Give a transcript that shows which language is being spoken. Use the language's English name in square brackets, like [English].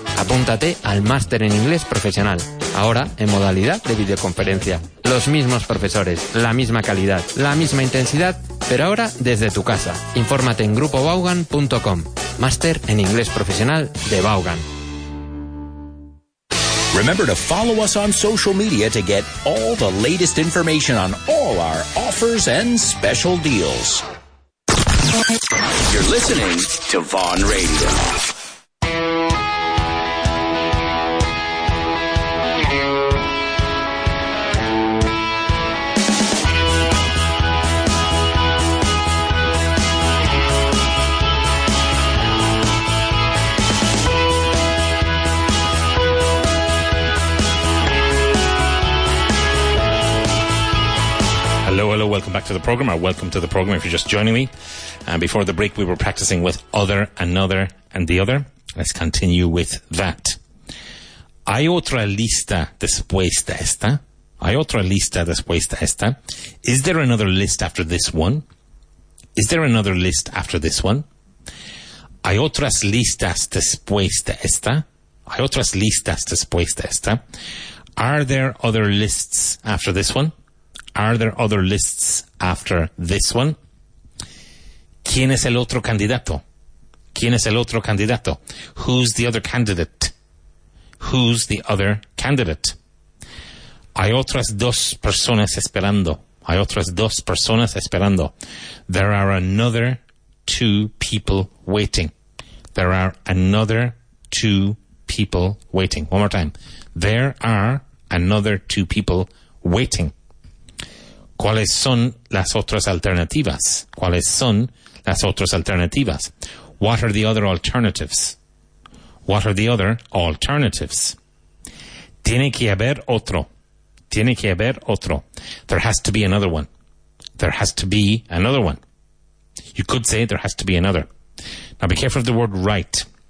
[Spanish] Apúntate al Máster en Inglés Profesional, ahora en modalidad de videoconferencia. Los mismos profesores, la misma calidad, la misma intensidad, pero ahora desde tu casa. Infórmate en grupovaughan.com. Máster en Inglés Profesional de Vaughan. [English] Remember to follow us on social media to get all the latest information on all our offers and special deals. You're listening to Vaughan Radio. Hello, welcome back to the program, or welcome to the program if you're just joining me. And before the break, we were practicing with other, another, and the other. Let's continue with that. [Spanish] Hay otra lista después de esta. Hay otra lista después de esta. [English] Is there another list after this one? Is there another list after this one? [Spanish] Hay otras listas después de esta. Hay otras listas después de esta. [English] Are there other lists after this one? Are there other lists after this one? [Spanish] ¿Quién es el otro candidato? ¿Quién es el otro candidato? [English] Who's the other candidate? Who's the other candidate? [Spanish] Hay otras dos personas esperando. Hay otras dos personas esperando. [English] There are another two people waiting. There are another two people waiting. One more time. There are another two people waiting. [Spanish] ¿Cuáles son las otras alternativas? ¿Cuáles son las otras alternativas? [English] What are the other alternatives? What are the other alternatives? [Spanish] Tiene que haber otro. Tiene que haber otro. [English] There has to be another one. There has to be another one. You could say there has to be another. Now be careful of the word right.